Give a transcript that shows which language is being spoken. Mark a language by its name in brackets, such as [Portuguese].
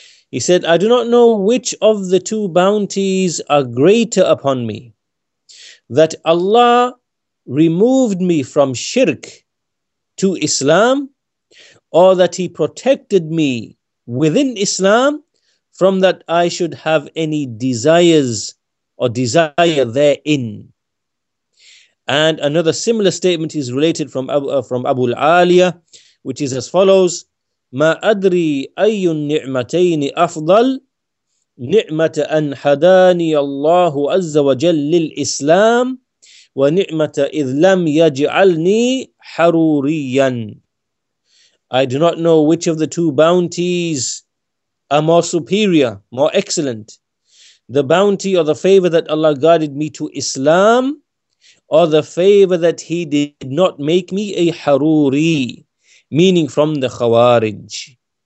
[English] He said, I do not know which of the two bounties are greater upon me, that Allah removed me from shirk to Islam, or that He protected me within Islam from that I should have any desires or desire therein. And another similar statement is related from Abu al-Aliyah, which is as follows, [Arabic] مَا أَدْرِي أَيُّ النِّعْمَتَيْنِ أَفْضَلْ نِعْمَةَ أَنْ حَدَانِيَ اللَّهُ أَزَّ وَجَلْ لِلْإِسْلَامِ وَنِعْمَةَ إِذْ لَمْ يَجْعَلْنِي حَرُورِيًّا. [English] I do not know which of the two bounties are more superior, more excellent, the bounty or the favor that Allah guided me to Islam, or the favor that He did not make me a haruri, meaning from the Khawarij.